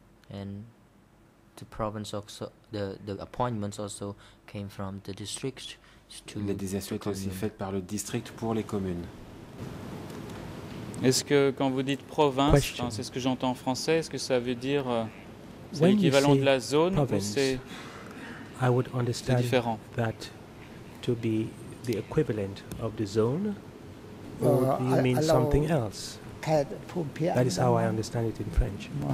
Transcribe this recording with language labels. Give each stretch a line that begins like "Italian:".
English: And the province also, the appointments also came from the district to
French: la désignation est aussi faite par le district pour les communes. Est-ce que quand vous dites province, enfin, c'est ce que j'entends en français, est-ce que ça veut dire c'est l'équivalent de la zone province, ou c'est différent?
English: That to be the equivalent of the zone, or do you mean something else? That is how I understand it in French.